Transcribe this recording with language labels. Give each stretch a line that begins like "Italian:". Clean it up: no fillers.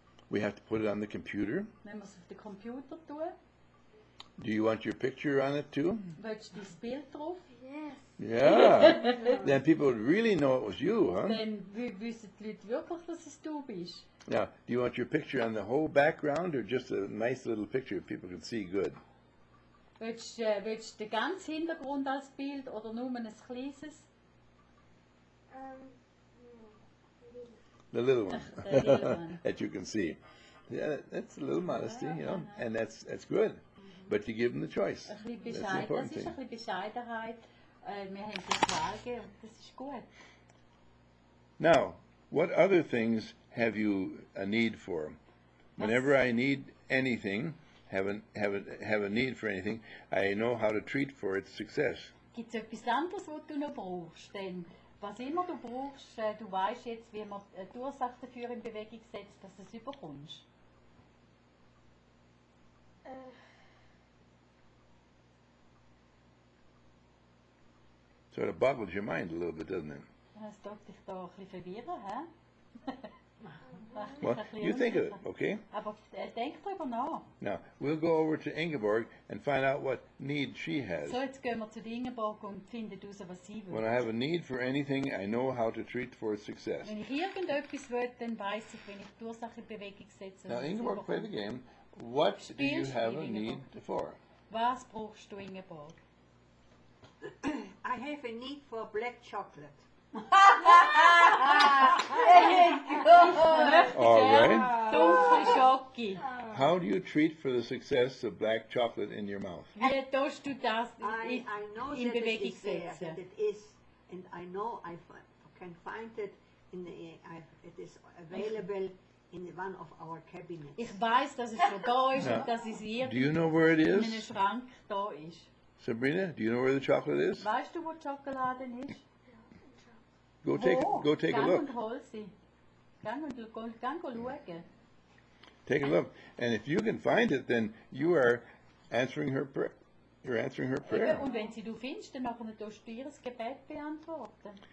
English: We have to put it on the computer.
German: Wir müssen auf den Computer tun.
English: Do you want your picture on it too?
German: Willst du das Bild drauf?
English: Yes. Yeah. Then people would really know it was you, huh?
German: Dann wissen die Leute wirklich, dass es du bist.
English: Now, do you want your picture on the whole background or just a nice little picture people can see good?
German: Willst du den ganzen Hintergrund als Bild oder nur ein kleines?
English: The little one. That you can see. Yeah, that's a little modesty, you know, and that's good. But you give them the choice. That's the important thing. Now, what other things have you a need for? Whenever I need anything, have a need for anything, I know how to treat for its success.
German: Gibt's etwas anderes, was du noch brauchst? Denn was immer du brauchst, du weißt jetzt, wie man die Ursache dafür in Bewegung setzt, dass du es überkommst.
English: Sort of boggles your mind a little bit, doesn't it?
German: Das tut dich da ein bisschen verwirren, hä?
English: Well, you think of it, okay?
German: Aber denk drüber nach.
English: Now, we'll go over to Ingeborg and find out what need she has.
German: So, jetzt gehen wir zu Ingeborg und finden aus, was sie will.
English: When I have a need for anything, I know how to treat for success.
German: Wenn ich irgendetwas will, dann weiß ich, wenn ich die Ursache in Bewegung setze.
English: Now, Ingeborg, play the game. What do you have a need for?
German: Was brauchst du, Ingeborg?
English: I have a need for black chocolate. All right. How do you treat for the success of black chocolate in your mouth? Wie tust du das in Bewegung setzen? It is, and I know I can find it in the. It is available in one of our cabinets.
German: Ich weiß, dass es da ist und dass es hier.
English: Do you know where it is?
German: In einem Schrank da ist.
English: Sabrina, do you know where the chocolate is?
German: Weißt du, wo Schokolade ist?
English: Go take
Swiss German: Gang
English: a look.
German: Und hol sie. Gang und
English: go look. Take a look. And if you can find it, then you are answering her prayer. You're answering her prayer.
German: Und wenn sie du findest, dann machen du dir das Gebet beantworten.